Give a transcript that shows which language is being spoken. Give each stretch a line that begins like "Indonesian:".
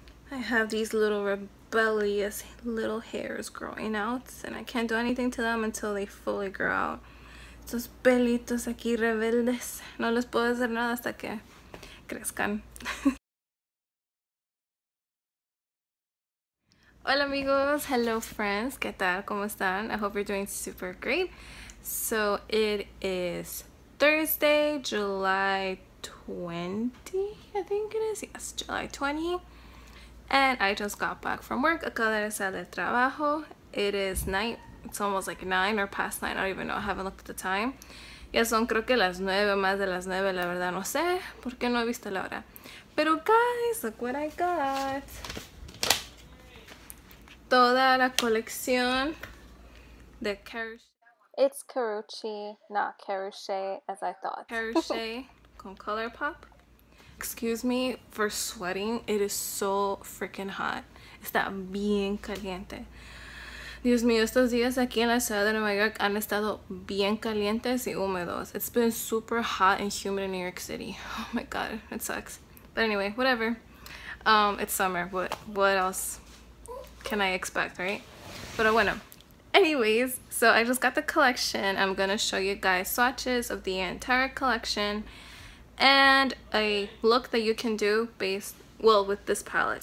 English: I have these little rebellious little hairs growing out, and I can't do anything to them until they fully grow out.
Spanish: Estos pelitos aquí rebeldes, no les puedo hacer nada hasta que crezcan. Hola amigos,
English: hello friends,
Spanish: ¿qué tal? ¿Cómo están?
English: I hope you're doing super great. So it is Thursday, July 20, I think it is. Yes, July 20. And I just got back from work.
Spanish: Acabo de salir de trabajo.
English: It is night. It's almost like 9 or past 9. I don't even know. I haven't looked at the time.
Spanish: Ya son creo que las 9, más de las 9. La verdad no sé por qué no he visto la hora. Pero
English: guys, look what I got.
Spanish: Toda la colección de Karrueche.
English: It's Karrueche, not Karrueche as I thought. Karrueche con Colourpop. Excuse me for sweating. It is so freaking hot.
Spanish: Está bien caliente. Dios mío, estos días aquí en la ciudad de Nueva York han estado bien calientes y húmedos.
English: It's been super hot and humid in New York City. Oh my god, it sucks. But anyway, whatever. It's summer, but what else can I expect, right? But bueno. Anyways, so I just got the collection. I'm gonna show you guys swatches of the entire collection and a look that you can do based, well, with this palette.